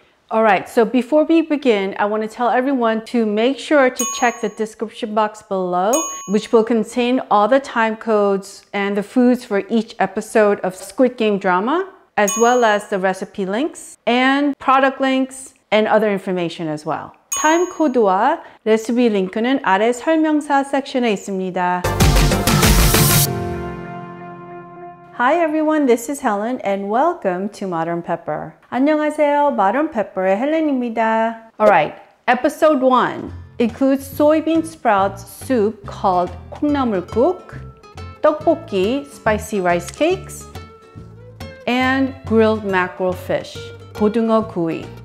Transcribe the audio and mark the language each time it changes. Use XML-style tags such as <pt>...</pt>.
<en>All right, so before we begin, I want to tell everyone to make sure to check the description box below, which will contain all the time codes and the foods for each episode of Squid Game Drama, as well as the recipe links and product links and other information as well.</en> <ko>타임 코드와 레시피 링크는 아래 설명서 섹션에 있습니다.</ko> <en>Hi everyone, this is Helen and welcome to Modern Pepper.</en> <ko>안녕하세요, Modern Pepper의 헬렌입니다.</ko> <en>Alright, episode 1 includes soybean sprouts soup called 콩나물국, 떡볶이 spicy rice cakes, and grilled mackerel fish, 고등어구이.</en>